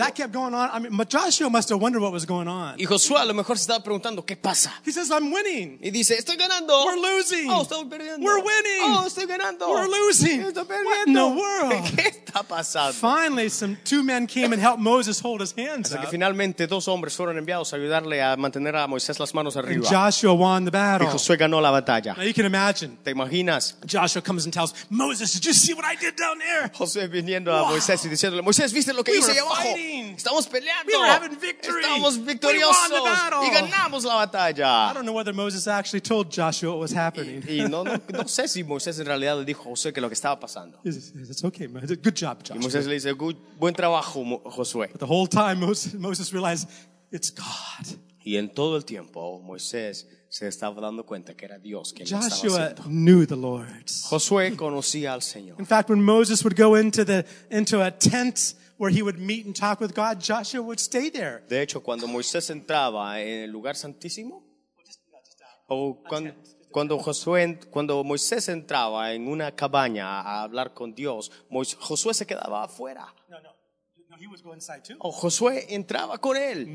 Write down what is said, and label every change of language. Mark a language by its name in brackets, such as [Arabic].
[English] That kept going on. I mean, but Joshua must have wondered what was going on. [Spanish] Y Josué a lo mejor se estaba preguntando, ¿qué pasa? [English] He says, "I'm winning." [Spanish] Y dice, estoy ganando. [English] We're losing. [Spanish] Oh, estamos perdiendo. [English] We're winning. [Spanish] Oh, estoy ganando. [English] We're losing. [Spanish] Estoy perdiendo. [English] What in the world? [Spanish] ¿Qué está pasando? [English] Finally, two men came and helped Moses hold his hands [Spanish] hasta Que finalmente dos hombres fueron enviados a ayudarle a mantener a Moisés las manos arriba. [English] And Joshua won the battle. [Spanish] Y Josué ganó la batalla. [English] Now you can imagine. [Spanish] ¿Te imaginas? [English] Joshua comes and tells Moses, "Did you see what I did down there?" [Spanish] José viniendo a Moisés y diciéndole, Moisés, ¿viste lo que hice allá abajo? Estamos peleando. [English] We were having victory. [Spanish] Estamos victoriosos. [English] We won the battle. [Spanish] Y ganamos la batalla. [English] I don't know whether Moses actually told Joshua what was happening. [Spanish] Y no sé si Moisés en realidad le dijo a José que lo que estaba pasando. [English] It's okay, Moses. Good job, Joshua. [Spanish] Y Moisés le dice, buen trabajo, Josué. [English] But the whole time, Moses realized, it's God. [Spanish] Y en todo el tiempo, Moisés se estaba dando cuenta que era Dios quien [English] Joshua [Spanish] estaba haciendo. [English] Knew the Lord. [Spanish] Josué conocía al Señor. [English] In fact, when Moses would go into a tent where he would meet and talk with God, Joshua would stay there. [Spanish] De hecho, cuando Moisés entraba en el lugar santísimo, cuando Moisés entraba en una cabaña a hablar con Dios, Josué se quedaba afuera. [English] He would go inside too. [Spanish] Oh, Josué entraba con él.